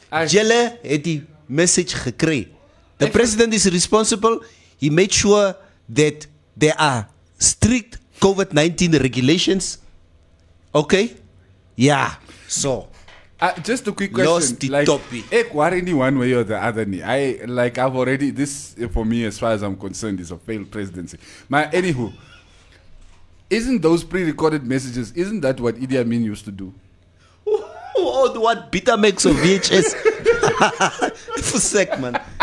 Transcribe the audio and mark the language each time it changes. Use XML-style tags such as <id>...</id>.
<af>Jelle het die message gekry.</af> <en>The president is responsible. He made sure that there are strict COVID-19 regulations. Okay? Yeah. So. Just a quick question. Lost the topic.</en> <af>Ek worry nie</af> <en>one way or the other</en> <af>nie.</af> <en>This for me, as far as I'm concerned, is a failed presidency. But anywho, isn't those pre-recorded messages, isn't that what Idi Amin used to do? Oh, what Betamax or VHS? For sec, man.</en>